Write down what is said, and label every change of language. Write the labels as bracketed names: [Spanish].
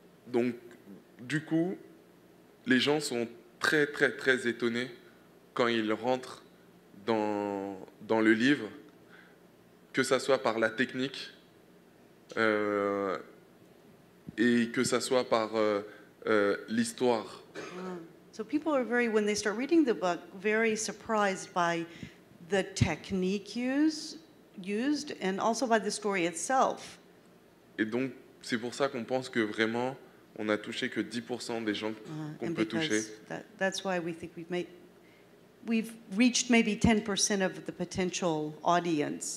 [French] Donc, du coup, les gens sont très, très, très étonnés quand ils rentrent dans le livre. Que ça soit par la technique et que ça soit par l'histoire. [English] So people are very, when they start reading the book, very surprised by the technique used and also by the story itself. [French] Et donc, c'est pour ça qu'on pense que vraiment, on a touché que 10% des gens qu'on peut toucher. [English] That's why we think we've reached maybe 10% of the potential audience.